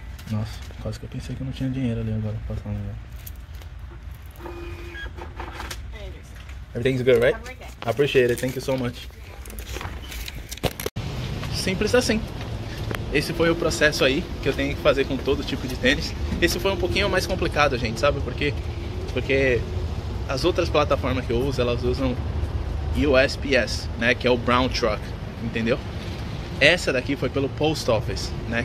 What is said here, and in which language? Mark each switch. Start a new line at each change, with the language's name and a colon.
Portuguese: Nossa, quase que eu pensei que eu não tinha dinheiro ali agora pra passar um negócio.
English: Everything's good, right? Okay. I appreciate it. Thank you so much.
Portuguese: Simples assim. Esse foi o processo aí que eu tenho que fazer com todo tipo de tênis. Esse foi um pouquinho mais complicado, gente, sabe por quê? Porque as outras plataformas que eu uso, elas usam USPS, né? Que é o Brown Truck, entendeu? Essa daqui foi pelo Post Office, né?